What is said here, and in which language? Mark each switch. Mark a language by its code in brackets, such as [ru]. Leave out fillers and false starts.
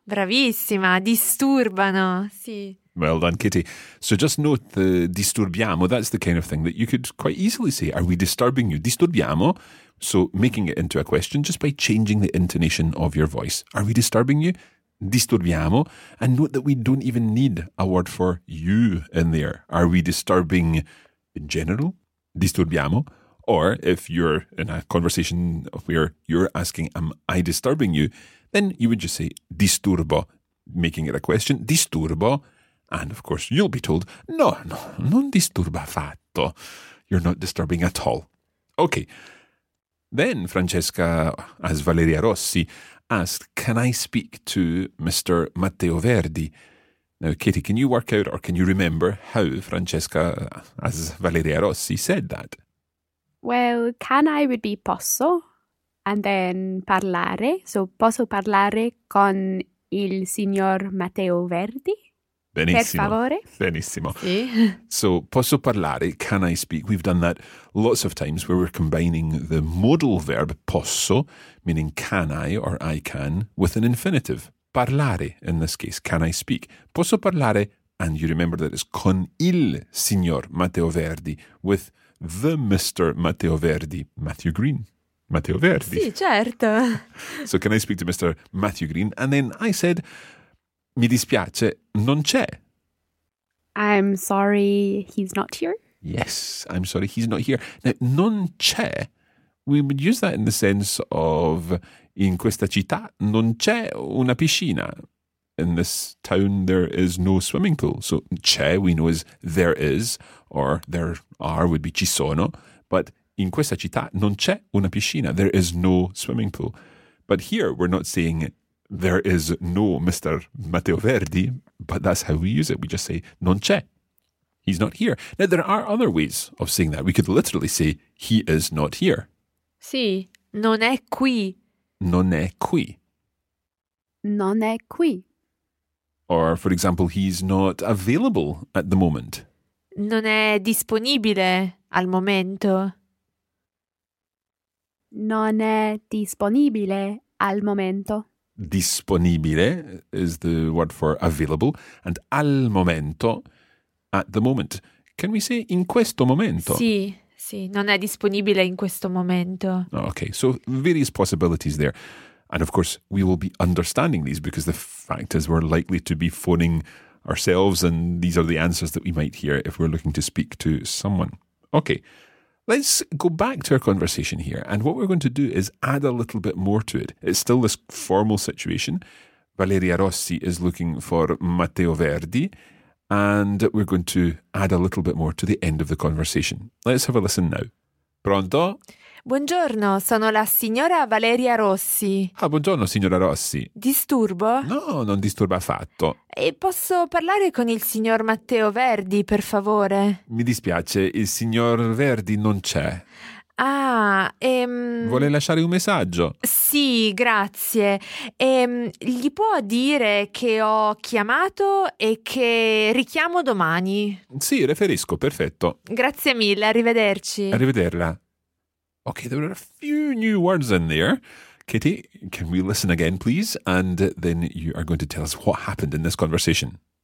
[it] Bravissima, disturbano, sì. [en] Well done, Kitty. So just note the disturbiamo, that's the kind of thing that you could quite easily say. Are we disturbing you? Disturbiamo. So making it into a question just by changing the intonation of your voice. Are we disturbing you? [it] Disturbiamo. [en] And note that we don't even need a word for you in there. Are we disturbing in general? Disturbiamo. Or if you're in a conversation where you're asking, am I disturbing you? Then you would just say disturbo, making it a question. Disturbo. And of course, you'll be told, [it] no, no, non disturba affatto. [en] You're not disturbing at all. Okay. Then Francesca, as Valeria Rossi, asked, can I speak to Mr. Matteo Verdi? Now, Katie, can you work out or can you remember how Francesca, as Valeria Rossi, said that? Well, can I would be posso, and then parlare. [it] So posso parlare con il signor Matteo Verdi? Benissimo. Per favore. Benissimo. Sì. [en] So, posso parlare? Can I speak? We've done that lots of times where we're combining the modal verb posso, meaning can I or I can, with an infinitive. Parlare, in this case, can I speak? [it] Posso parlare, [en] and you remember that it's [it] con il signor Matteo Verdi, [en] with the Mr. Matteo Verdi, Matthew Green. Matteo Verdi. [it] Sì, certo. [en] So, can I speak to Mr. Matthew Green? And then I said, [it] mi dispiace, non c'è. [en] I'm sorry, he's not here. Yes, I'm sorry, he's not here. Now, non c'è, we would use that in the sense of, [it] in questa città non c'è una piscina. [en] In this town there is no swimming pool. So c'è, we know, is there is, or there are would be ci sono. But [it] in questa città non c'è una piscina. [en] There is no swimming pool. But here we're not saying there is no Mr. Matteo Verdi, but that's how we use it. We just say [it] non c'è. [en] He's not here. Now, there are other ways of saying that. We could literally say he is not here. [it] Sì, non è qui. Non è qui. Non è qui. [en] Or, for example, he's not available at the moment. [it] Non è disponibile al momento. Non è disponibile al momento. [en] Disponibile is the word for available. And al momento, at the moment. Can we say [it] in questo momento? Sì. Sì, non è disponibile in questo momento. [en] Okay, so various possibilities there. And of course, we will be understanding these because the fact is we're likely to be phoning ourselves and these are the answers that we might hear if we're looking to speak to someone. Okay, let's go back to our conversation here. And what we're going to do is add a little bit more to it. It's still this formal situation. Valeria Rossi is looking for Matteo Verdi. And we're going to add a little bit more to the end of the conversation. Let's have a listen now. Pronto? [it] Buongiorno, sono la signora Valeria Rossi. Ah, buongiorno, signora Rossi. Disturbo? No, non disturba affatto. E posso parlare con il signor Matteo Verdi, per favore? Mi dispiace, il signor Verdi non c'è. Ah, Vuole lasciare un messaggio? Sì, grazie. Gli può dire che ho chiamato e che richiamo domani? Sì, riferisco, perfetto. Grazie mille, arrivederci. Arrivederla. [en] Okay, there are a few new words in there. Kitty, can we listen again, please? And then you are going to tell us what happened in this conversation.